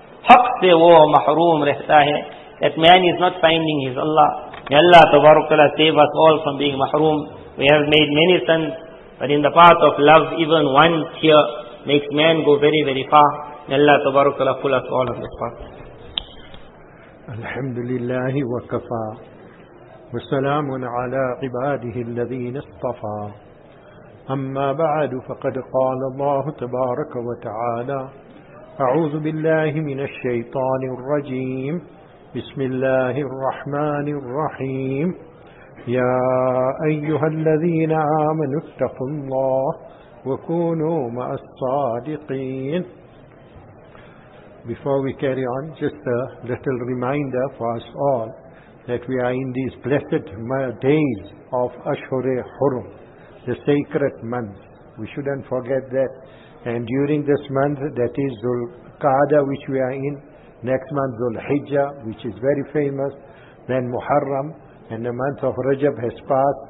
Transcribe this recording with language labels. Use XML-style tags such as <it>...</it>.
<ur>حَقْ سے وہ محروم رہتا ہے,</ur> <en>that man is not finding his Allah. May Allah تبارکلہ save us all from being محروم. We have made many sins, but in the path of love, even one tear makes man go very, very far. May Allah تبارکلہ pull us all of this path.</en> <ar>الحمد لله وكفى وسلام على عباده الذين اصطفى. أما بعد, فقد قال الله تبارك وتعالى, أعوذ بالله من الشيطان الرجيم, بسم الله الرحمن الرحيم. يا أيها الذين آمنوا اتقوا الله وكونوا مع الصادقين.</ar> <en>Before we carry on, just a little reminder for us all that we are in these blessed days of Ashur-e-Hurum, the sacred month. We shouldn't forget that. And during this month, that is Dhul-Qa'dah, which we are in, next month Dhul-Hijjah, which is very famous, then Muharram, and the month of Rajab has passed.</en>